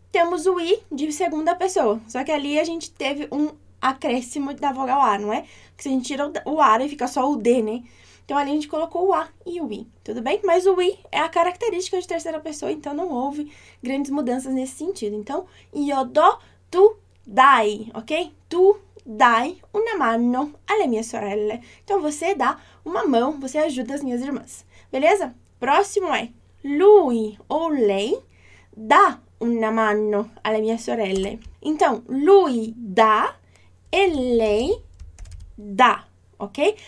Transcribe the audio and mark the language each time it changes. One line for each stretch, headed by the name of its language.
Portuguese: Temos o i de segunda pessoa. Só que ali a gente teve um acréscimo da vogal a, não é? Porque se a gente tira o ar e fica só o d, né? Então, ali a gente colocou o a e o i, tudo bem? Mas o i é a característica de terceira pessoa, então não houve grandes mudanças nesse sentido. Então,
Italian: io do tu dai,
Portuguese: ok?
Italian: Tu dai una mano alle mie sorelle.
Portuguese: Então, você dá uma mão, você ajuda as minhas irmãs, beleza? Próximo é
Italian: lui ou lei dá una mano alle mie sorelle.
Portuguese: Então, lui dá e lei dá. Ok?